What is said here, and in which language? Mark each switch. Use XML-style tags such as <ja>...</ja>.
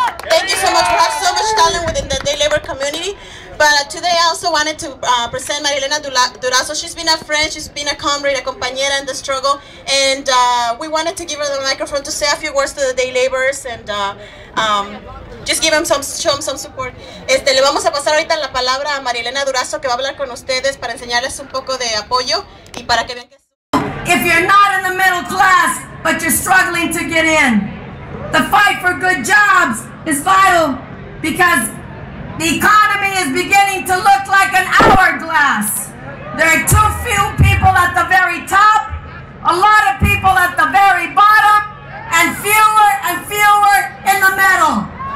<en>Thank you so much for having so much talent within the day labor community. But today I also wanted to present Marielena Durazo. She's been a friend, she's been a comrade, a compañera in the struggle. And we wanted to give her the microphone to say a few words to the day laborers and just give them some support.</en> <es>Le vamos a pasar ahorita la palabra a Marielena Durazo, que va a hablar con ustedes para enseñarles un poco de apoyo y para que vean que...</es> <en>If you're not in the middle class, but you're struggling to get in, the fight for good jobs is vital because the economy is beginning to look like an hourglass. There are too few people at the very top, a lot of people at the very bottom, and fewer in the middle.</en>